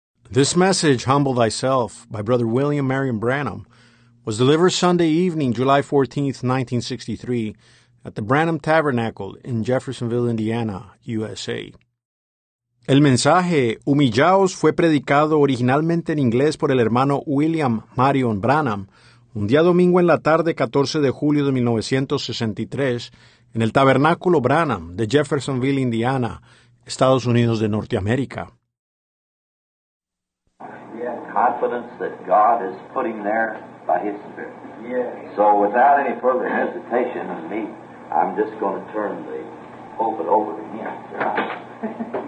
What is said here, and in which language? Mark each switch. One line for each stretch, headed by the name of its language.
English: This message, Humble Thyself, by Brother William Marion Branham, was delivered Sunday evening, July 14, 1963, at the Branham Tabernacle in Jeffersonville, Indiana, USA.
Spanish: El mensaje, Humillaos, fue predicado originalmente en inglés por el hermano William Marion Branham, un día domingo en la tarde, 14 de julio de 1963, en el Tabernáculo Branham de Jeffersonville, Indiana, Estados Unidos de Norteamérica.
English: Confidence that God is putting there by His Spirit. Yes. So without any further hesitation of me, I'm just going to turn the pulpit over to Him.